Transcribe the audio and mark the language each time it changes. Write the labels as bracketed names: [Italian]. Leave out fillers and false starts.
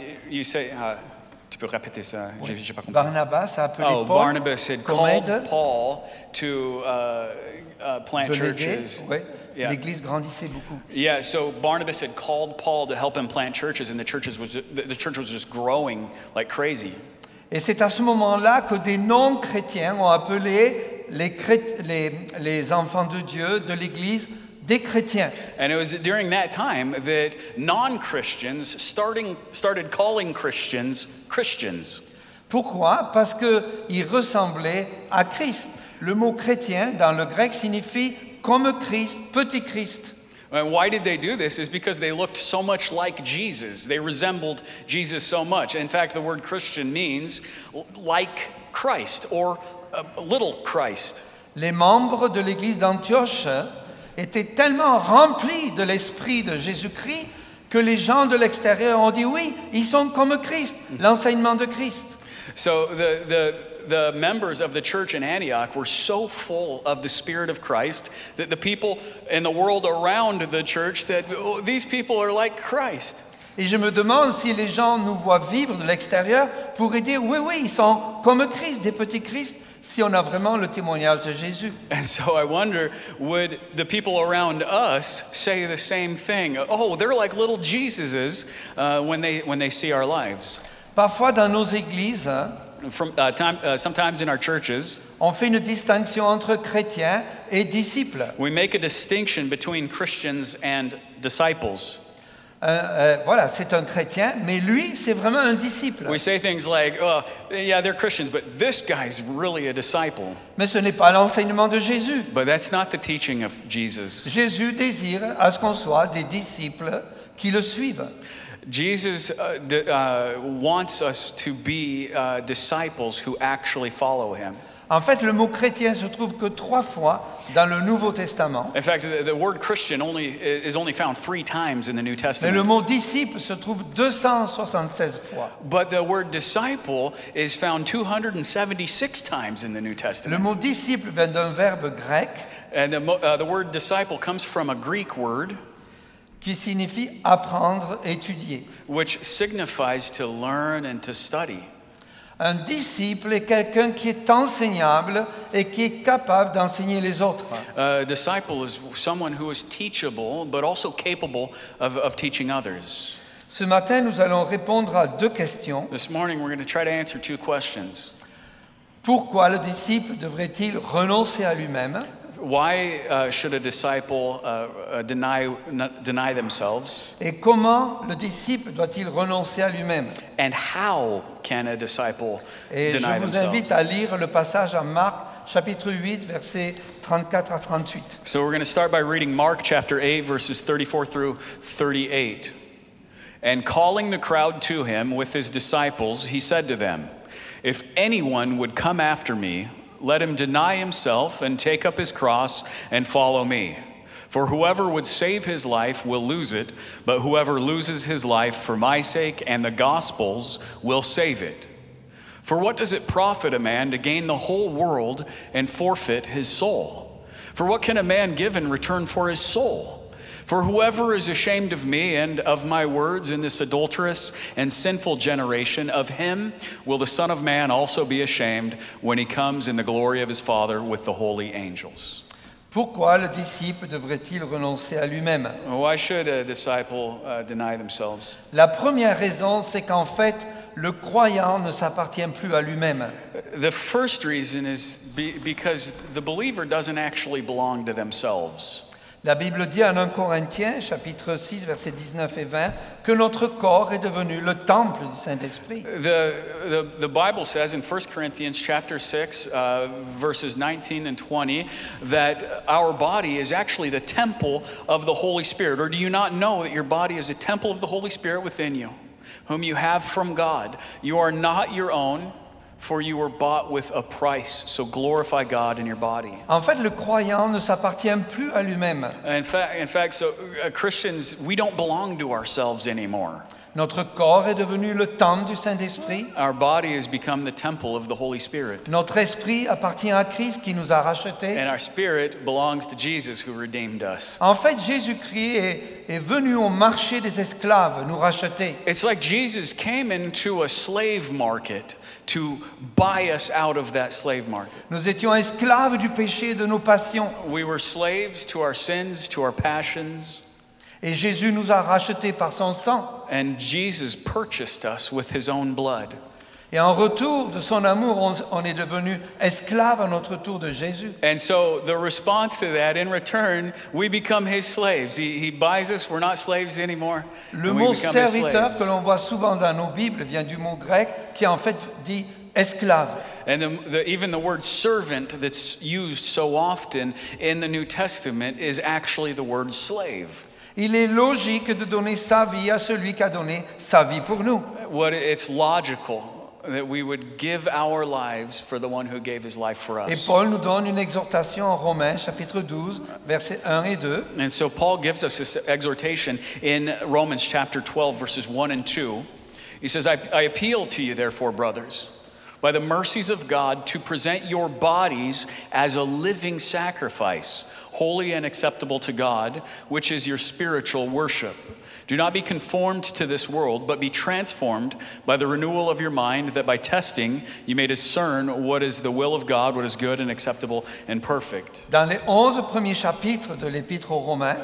[English] You say, [French] tu peux répéter ça? Oui. J'ai pas compris. Barnabas a appelé Paul. [English] Oh, Barnabas had called Paul to plant churches. [French] Oui. Yeah. L'église grandissait beaucoup. [English] Yeah, so Barnabas had called Paul to help him plant churches, and the church was just growing like crazy. [French] Et c'est à ce moment-là que des non-chrétiens ont appelé les enfants de Dieu de l'église. [English] And it was during that time that non-Christians started calling Christians Christians. [French] Pourquoi? Parce que ils ressemblaient à Christ. Le mot chrétien dans le grec signifie comme Christ, petit Christ. [English] And why did they do this? Is because they looked so much like Jesus. They resembled Jesus so much. In fact, the word Christian means like Christ or little Christ. [French] Les membres de l'église d'Antioche était tellement rempli de l'esprit de Jésus-Christ que les gens de l'extérieur ont dit oui, ils sont comme Christ, l'enseignement de Christ. [English] So the members of the church in Antioch were so full of the spirit of Christ that the people in the world around the church said, oh, these people are like Christ. [French] Et je me demande si les gens nous voient vivre de l'extérieur pourraient dire, oui, oui, ils sont comme Christ, des petits Christ, si on a vraiment le témoignage de Jésus. [English] And so I wonder, would the people around us say the same thing? Oh, they're like little Jesuses when they see our lives. [French] Parfois dans nos églises, [English] sometimes in our churches, [French] on fait une distinction entre chrétiens et disciples. [English] We make a distinction between Christians and disciples. [French] Voilà, c'est un chrétien, mais lui, c'est vraiment un disciple. [English] We say things like, oh, yeah, they're Christians, but this guy's really a disciple. [French] Mais ce n'est pas l'enseignement de Jésus. [English] But that's not the teaching of Jesus. [French] Jésus désire à ce qu'on soit des disciples qui le suivent. [English] Jesus wants us to be disciples who actually follow him. [French] En fait, le mot chrétien se trouve que trois fois dans le Nouveau Testament. [English] In fact, the word Christian is only found three times in the New Testament. [French] Mais le mot disciple se trouve 276 fois. [English] But the word disciple is found 276 times in the New Testament. [French] Le mot disciple vient d'un verbe grec. [English] And the word disciple comes from a Greek word. [French] Qui signifie apprendre, étudier. [English] Which signifies to learn and to study. [French] Un disciple est quelqu'un qui est enseignable et qui est capable d'enseigner les autres. [English] A disciple is someone who is teachable, but also capable of teaching others. [French] Ce matin, nous allons répondre à deux questions. [English] This morning, we're going to try to answer two questions. [French] Pourquoi le disciple devrait-il renoncer à lui-même? [English] Why should a disciple deny themselves? [French] Et comment le disciple doit-il renoncer à lui-même? [English] And how can a disciple [French] Et [English] deny themselves? [French] Et je vous invite à lire le passage en Marc chapitre 8 versets 34 à 38. [English] So we're going to start by reading Mark chapter 8 verses 34 through 38. And calling the crowd to him with his disciples, he said to them, "If anyone would come after me, let him deny himself and take up his cross and follow me. For whoever would save his life will lose it, but whoever loses his life for my sake and the gospel's will save it. For what does it profit a man to gain the whole world and forfeit his soul? For what can a man give in return for his soul? For whoever is ashamed of me and of my words in this adulterous and sinful generation, of him will the Son of Man also be ashamed when he comes in the glory of his Father with the holy angels." [French] Pourquoi le disciple devrait-il renoncer à lui-même? [English] Why should a disciple deny themselves? [French] La première raison, c'est qu'en fait, le croyant ne s'appartient plus à lui-même. [English] The first reason is because the believer doesn't actually belong to themselves. [French] La Bible dit en 1 Corinthiens, chapitre 6, versets 19 et 20, que notre corps est devenu le temple du Saint-Esprit. [English] The Bible says in 1 Corinthians, chapter 6, verses 19 and 20, that our body is actually the temple of the Holy Spirit. Or do you not know that your body is a temple of the Holy Spirit within you, whom you have from God? You are not your own. For you were bought with a price, so glorify God in your body. [French] En fait, le croyant ne s'appartient plus à lui-même. [English] In fact, so Christians, we don't belong to ourselves anymore. [French] Notre corps est devenu le temple du Saint-Esprit. [English] Our body has become the temple of the Holy Spirit. [French] Notre esprit appartient à Christ qui nous a rachetés. [English] And our spirit belongs to Jesus who redeemed us. [French] En fait, Jésus-Christ est venu au marché des esclaves nous racheter. [English] It's like Jesus came into a slave market to buy us out of that slave market. [French] Nous étions esclaves du péché et de nos passions. [English] We were slaves to our sins, to our passions. [French] Et Jésus nous a rachetés par son sang. [English] And Jesus purchased us with his own blood. [French] Et en retour de son amour, on est devenu esclaves à notre tour de Jésus. [English] And so the response to that, in return, we become his slaves. He buys us, we're not slaves anymore. [French] Le mot serviteur que l'on voit souvent dans nos Bibles vient du mot grec qui en fait dit esclave. [English] And even the word servant that's used so often in the New Testament is actually the word slave. [French] Il est logique de donner sa vie à celui qui a donné sa vie pour nous. [English] It's logical that we would give our lives for the one who gave his life for us. [French] Et Paul nous donne une exhortation en Romains chapitre 12 versets 1 et 2. [English] And so Paul gives us this exhortation in Romans chapter 12 verses 1 and 2. He says, I appeal to you therefore, brothers, by the mercies of God, to present your bodies as a living sacrifice, holy and acceptable to God, which is your spiritual worship. Do not be conformed to this world, but be transformed by the renewal of your mind, that by testing you may discern what is the will of God, what is good and acceptable and perfect. [French] Dans les 11 premiers chapitres de l'Épître aux Romains,